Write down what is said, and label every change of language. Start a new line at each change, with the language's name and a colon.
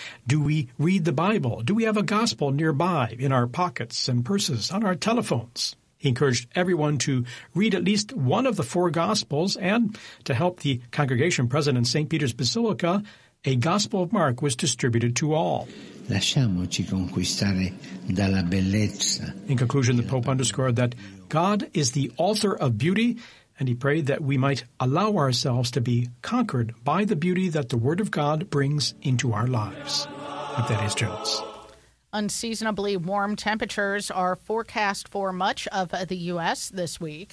English: Do we read the Bible? Do we have a gospel nearby, in our pockets and purses, on our telephones? He encouraged everyone to read at least one of the four gospels, and to help the congregation present in St. Peter's Basilica, a Gospel of Mark was distributed to all.
Italian: Lasciamoci conquistare dalla bellezza.
English: In conclusion, the Pope underscored that God is the author of beauty, and he prayed that we might allow ourselves to be conquered by the beauty that the Word of God brings into our lives. That is Jones. Unseasonably warm temperatures are forecast for much of the U.S. this week.